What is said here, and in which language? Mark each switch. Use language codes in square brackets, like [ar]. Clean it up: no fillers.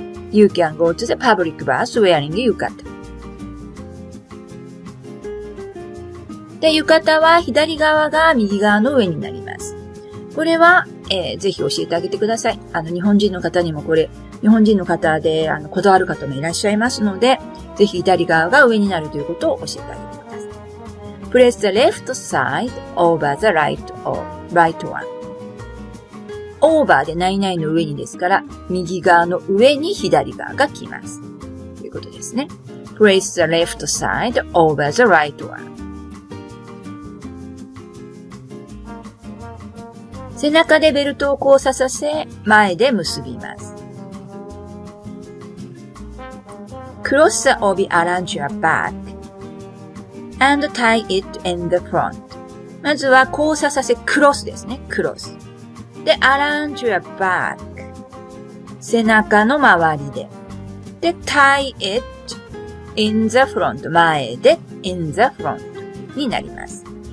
[en] You can go to the public bath wearing 浴衣。 [ja] で、浴衣は左側が右側の上になります。これは、ぜひ教えてあげてください。日本人の方にもこれ、日本人の方で、こだわる方もいらっしゃいますので、ぜひ左側が上になるということを教えてあげてください。 [en] Press the left side over the right, right one. [ja] Over で何々の上にですから、右側の上に左側が来ます。ということですね。 [en] Press the left side over the right one. [ja] 背中でベルトを交差させ、前で結びます。 [en] Cross the obi around your back and tie it in the front. [ja] まずは交差させ、クロスですね。クロス。で、 [en] around your back。 [ja] 背中の周りで。で、 [en] tie it in the front。 [ja] 前で、 [en] in the front [ja] になります。